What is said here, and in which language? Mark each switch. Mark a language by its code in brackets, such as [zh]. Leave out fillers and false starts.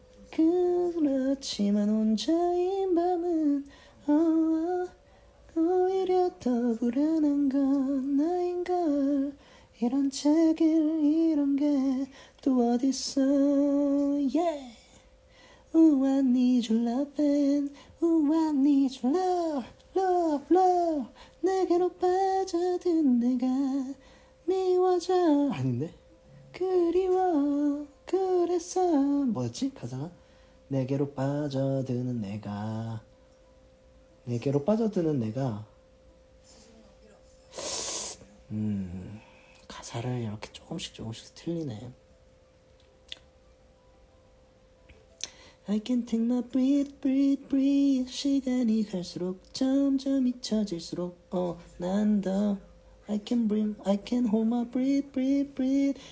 [ko] 그렇지만 혼자인 밤은, oh, oh, 오히려 더 불안한 건 나인걸. 이런 책을 이런 게 또 어딨어. [en] Yeah. Ooh, I need your love and Ooh, I need your love, love, love. [ko] 내게로 빠져든 내가 미워져. 아닌데? 그리워 그랬어. 뭐였지 가사가? 내게로 빠져드는 내가 내게로 빠져드는 내가 가사를 이렇게 조금씩 틀리네. [en] I can take my breath, breath, breath. [ko] 시간이 갈수록 점점 잊혀질수록 oh, 난 더 [en] I can breathe, I can hold my breath, breath, breath.